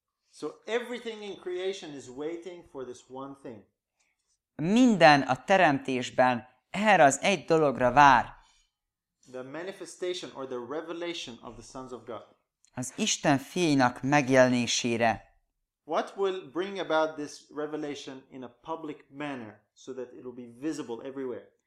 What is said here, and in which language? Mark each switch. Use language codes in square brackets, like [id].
[en] So everything in creation is waiting for this one thing. [hu] Minden a teremtésben erre az egy dologra vár. [en] The manifestation or the revelation of the sons of God. [hu] Az Isten fiainak megjelenésére. [en] What will bring about this revelation in a public manner so that it will be visible everywhere?